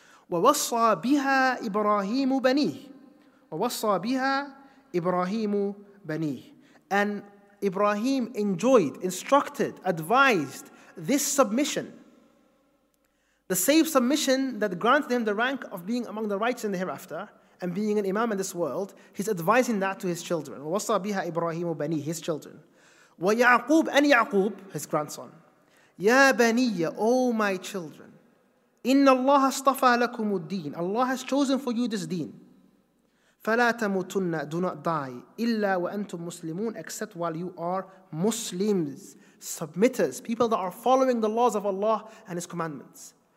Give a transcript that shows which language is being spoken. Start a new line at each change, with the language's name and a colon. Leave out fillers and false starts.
Arabic: وَوَصَّى بِهَا إِبْرَاهِيمُ بَنِيهِ وَوَصَّى بِهَا إِبْرَاهِيمُ بَنِيهِ.
English: And Ibrahim enjoyed, instructed, advised this submission. The same submission that granted him the rank of being among the righteous in the hereafter, and being an imam in this world, he's advising that to his children.
Arabic: وَوَصَّى بِهَا إِبْرَاهِيمُ بَنِيهِ,
English: his children.
Arabic: وَيَعْقُوبُ أَنْ يَعْقُوبُ,
English: his grandson.
Arabic: يَا بَنِيَّ,
English: oh my children.
Arabic: إِنَّ اللَّهَ اصْطَفَى لَكُمُ الدِّينَ,
English: Allah has chosen for you this deen.
Arabic: فَلَا تَمُوتُنَّ,
English: do not die.
Arabic: إِلَّا وَأَنْتُمْ مُسْلِمُونَ,
English: except while you are Muslims, submitters, people that are following the laws of Allah and his commandments.